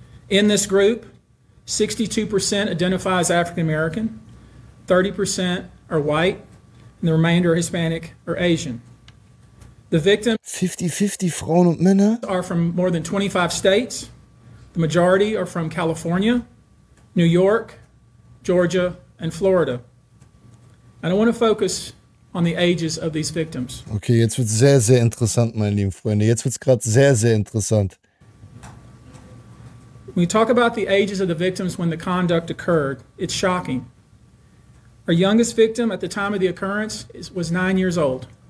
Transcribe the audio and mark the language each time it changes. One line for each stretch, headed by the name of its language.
English: In this group, 62% identify as African American, 30% are white, and the remainder are Hispanic or Asian. The victims
German: 50-50 Frauen und Männer
English: are from more than 25 states. The majority are from California, New York, Georgia, and Florida. And I want to focus on the ages of these victims.
German: Okay, jetzt wird's sehr, sehr interessant, meine lieben Freunde. Jetzt wird's gerade sehr, sehr interessant.
English: When we talk about the ages of the victims when the conduct occurred, it's shocking. Our youngest victim at the time of the occurrence was 9 years old.